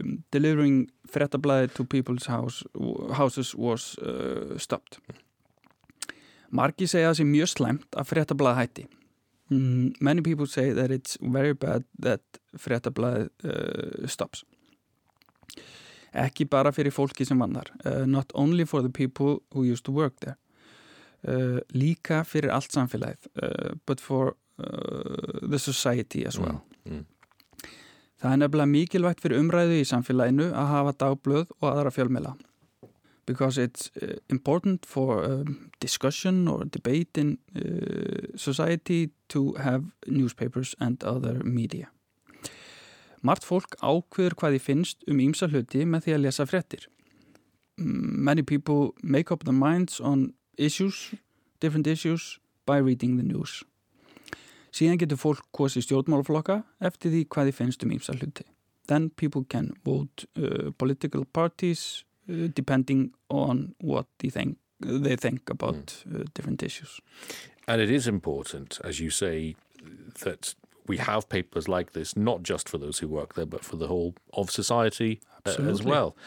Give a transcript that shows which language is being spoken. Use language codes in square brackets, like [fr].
[en] Delivering fréttablaði to people's houses was stopped. [is] Margir segja það sé mjög slæmt að fréttablaði hætti. [en] Many people say that it's very bad that fréttablaði stops. [is] Ekki bara fyrir fólki sem vann þar. [en] Not only for the people who used to work there. [is] Líka fyrir allt samfélagið. [en] But for the society as well. [is] Það nefnilega mikilvægt fyrir umræðu í samfélaginu að hafa dagblöð og aðra fjölmiðla. [en] Because it's important for discussion or debate in society to have newspapers and other media. [is] Margt fólk ákveður hvað þið finnst ýmsa hluti með því að lesa fréttir. [en] Many people make up their minds on different issues by reading the news. [is] Síðan getur fólk kosið stjórnmálaflokka eftir því hvað þið finnst ýmsa hluti. [en] Then people can vote political parties depending on what they think about different issues. And it is important, as you say, that we have papers like this, not just for those who work there, but for the whole of society as well.